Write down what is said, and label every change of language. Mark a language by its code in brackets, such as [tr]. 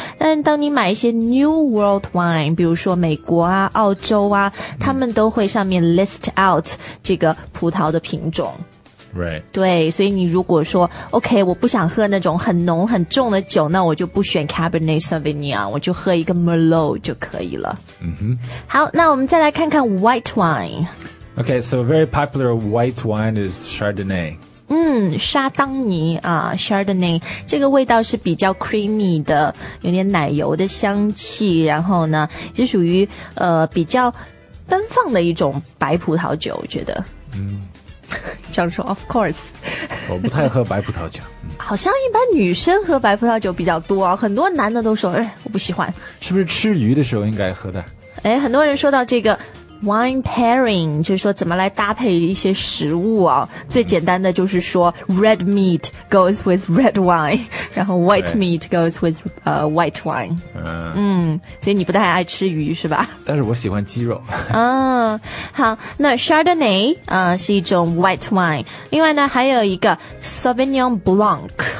[zh] 但当你买一些 New World Wine, 比如说美国啊、澳洲啊，他们都会上面 list out 这个葡萄的品种。 [en] Right. [zh] 对，所以你如果说 OK, 我不想喝那种很浓很重的酒，那我就不选 Cabernet Sauvignon, 我就喝一个 Merlot 就可以了。好，那我们再来看看 White Wine. [en] Okay, so a very popular white wine is Chardonnay. [zh] 沙当尼啊 ,Chardonnay, 这个味道是比较 creamy 的，有点奶油的香气，然后呢是属于比较奔放的一种白葡萄酒，我觉得。这样说 ,of course. 我不太喝白葡萄酒。好像一般女生喝白葡萄酒比较多啊，很多男的都说，哎，我不喜欢。是不是吃鱼的时候应该喝的？哎，很多人说到这个 wine pairing， 就是说怎么来搭配一些食物啊。最简单的就是说 [en] red meat goes with red wine， [zh] 然后 [en] white meat goes with white wine。 [zh] 嗯，所以你不太爱吃鱼是吧？但是我喜欢鸡肉。嗯，好，那 Chardonnay 是一种 white wine， 另外呢还有一个 Sauvignon Blanc。